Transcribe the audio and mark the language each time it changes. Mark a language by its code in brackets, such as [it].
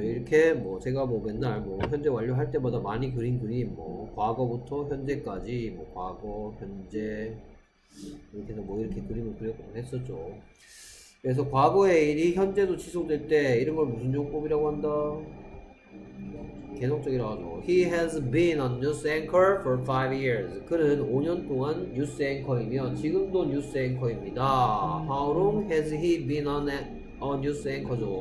[ko] 이렇게 뭐 제가 뭐 맨날 뭐 현재 완료할 때마다 많이 그린 그림 뭐 과거부터 현재까지 뭐 과거 현재 이렇게 해서 뭐 이렇게 그림을 그렸고 했었죠. 그래서 과거의 일이 현재도 지속될 때 이런 걸 무슨 용법이라고 한다? 계속적이라고 하죠. [en] He has been a news anchor for 5 years. [ko] 그는 5년 동안 뉴스 앵커이며 지금도 뉴스 앵커입니다. [en] How long has he been a news anchor죠?